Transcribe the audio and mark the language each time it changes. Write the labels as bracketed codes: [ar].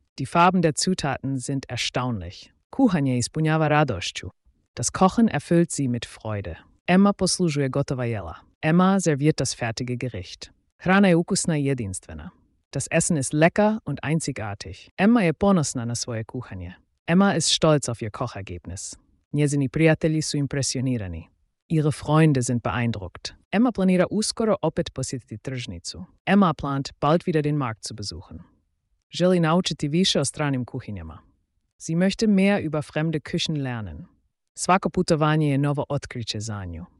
[de] Die Farben der Zutaten sind erstaunlich. [hr] Kuhanje ispunjava radošću. [de] Das Kochen erfüllt sie mit Freude. [hr] Emma poslužuje gotova jela. [de] Emma serviert das fertige Gericht. [hr] Hrana je ukusna i jedinstvena. [de] Das Essen ist lecker und einzigartig. [hr] Emma je ponosna na svoje kuhanje. [de] Emma ist stolz auf ihr Kochergebnis. [hr] Njezini prijatelji su impresionirani. [de] Ihre Freunde sind beeindruckt. [hr] Emma planira uskoro opet posjetiti tržnicu. [de] Emma plant, bald wieder den Markt zu besuchen. [hr] Želi naučiti više o stranim kuhinjama. [de] Sie möchte mehr über fremde Küchen lernen. [hr] Svako putovanje je novo otkriće za nju.